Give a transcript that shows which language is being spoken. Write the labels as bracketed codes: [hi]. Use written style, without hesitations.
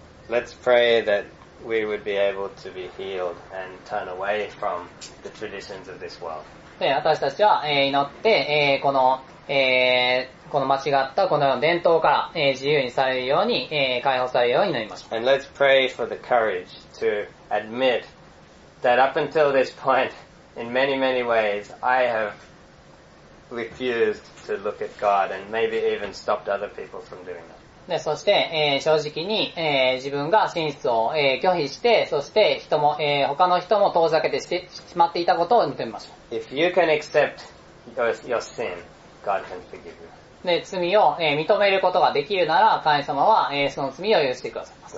[en] Let's pray that we would be able to be healed and turn away from the traditions of this world. [ja] で私たちは、祈って、この間違ったこのような伝統から、自由にされるように、解放されるようになりましょう。 [en] And let's pray for the courage to admit that up until this point, in many, many ways, I have refused to look at God and maybe even stopped other people from doing that. [ja] で、そして、正直に、自分が真実を、拒否して、そして人も、他の人も遠ざけてしてしまっていたことを認めましょう。 [en] If you can accept your sin, God can forgive you. [ja] で、罪を、認めることができるなら、神様は、その罪を許してくださいます。